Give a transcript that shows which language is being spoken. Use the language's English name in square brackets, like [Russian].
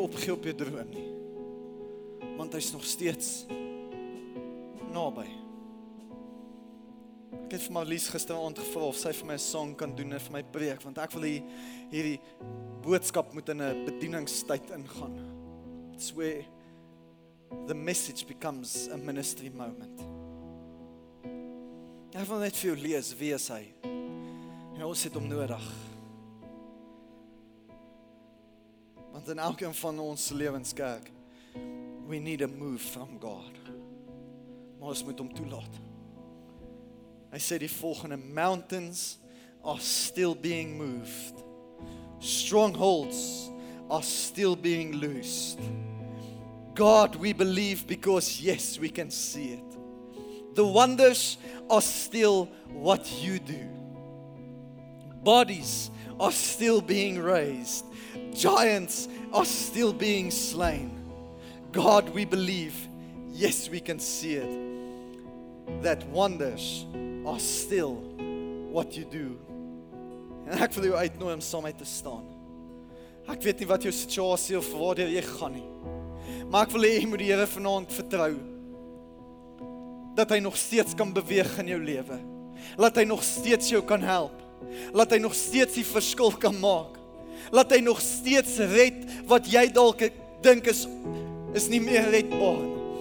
[Afrikaans] opgee op jou droom nie. Want hy is nog steeds naby. Ek het vir my Lies gisteravond gevra of sy vir my 'n song kan doen en vir my preek, want ek wil hierdie boodskap moet in 'n bedieningstyd ingaan. [English] It's where the message becomes a ministry moment. [Afrikaans] Ek wil net vir jou lees wie is hy. En ons het hom nodig. Want in elke van ons lewenskerk, [English] we need a move from God. [Afrikaans] Maar ons moet hom toelaat. Hy sê die volgende, [English] mountains are still being moved. Strongholds are still being loosed. God, we believe because yes, we can see it. The wonders are still what you do. Bodies are still being raised. Giants are still being slain. God, we believe, yes, we can see it, that wonders are still what you do. [Afrikaans] En ek wil jou uitnooi om saam met te staan. Ek weet nie wat jou situasie of waar jy gaan nie. Maar ek wil hê jy moet die Here vanaand vertrou. Dat hy nog steeds kan beweeg in jou lewe. Laat hy nog steeds jou kan help. Laat hy nog steeds die verskil kan maak. Laat hy nog steeds red wat jy dalk dink is nie meer redbaar.